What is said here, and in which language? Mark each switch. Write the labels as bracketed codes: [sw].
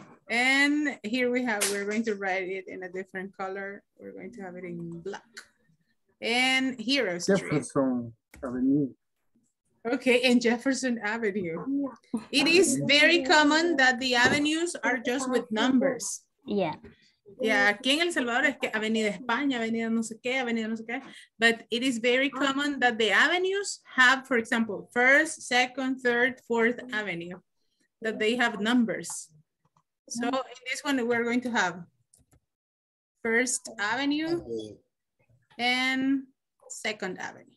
[en] And here we have, we're going to write it in a different color. We're going to have it in black. And Hero Street. Jefferson Avenue. Okay, and Jefferson Avenue. It is very common that the avenues are just with numbers. Yeah. [es] Yeah, aquí en El Salvador es que Avenida España, Avenida no sé qué, Avenida no sé qué. [en] But it is very common that the avenues have, for example, first, second, third, fourth avenue, that they have numbers. So in this one, we're going to have first avenue and second avenue.